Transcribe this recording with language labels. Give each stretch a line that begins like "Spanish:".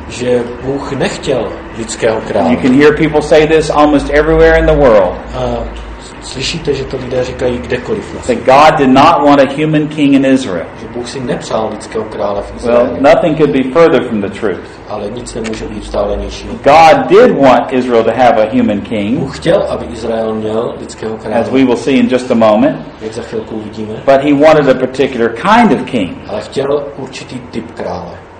Czech: Že Bůh nechtěl lidského krále.
English: You can hear people say this almost everywhere in the world.
Czech: Slyšíte, že to lidé říkají kdekoliv.
English: That God did not want a human king in Israel.
Czech: Že Bůh si nepřál lidského krále v Izraeli.
English: Well, nothing could be further from the truth.
Czech: Ale nic nemůže být vzdálenější.
English: God did want Israel to have a human king.
Czech: Bůh chtěl, aby Izrael měl lidského krále.
English: As we will see in just a moment.
Czech: Jak za chvilku uvidíme.
English: But he wanted a particular kind of king.
Czech: Ale chtěl určitý typ krále.